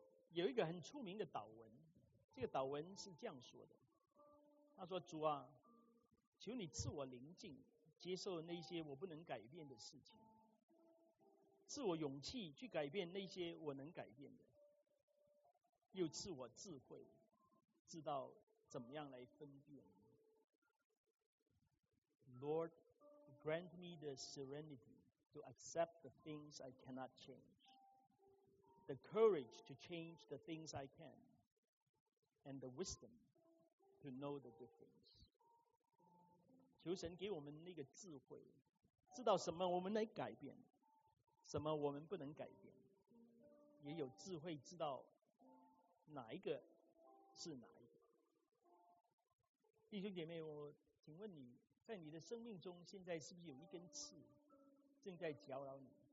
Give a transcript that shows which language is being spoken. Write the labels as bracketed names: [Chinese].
[Chinese] 有一个很出名的祷文，这个祷文是这样说的，他说：主啊，求你赐我灵境，接受那些我不能改变的事情，赐我勇气去改变那些我能改变的，又赐我智慧，知道怎么样来分辨。 [English] Lord, grant me the serenity to accept the things I cannot change, the courage to change the things I can, and the wisdom to know the difference. [Chinese] 求神给我们那个智慧，知道什么我们能改变，什么我们不能改变，也有智慧知道哪一个是哪一个。弟兄姐妹，我请问你，在你的生命中现在是不是有一根刺正在搅扰你？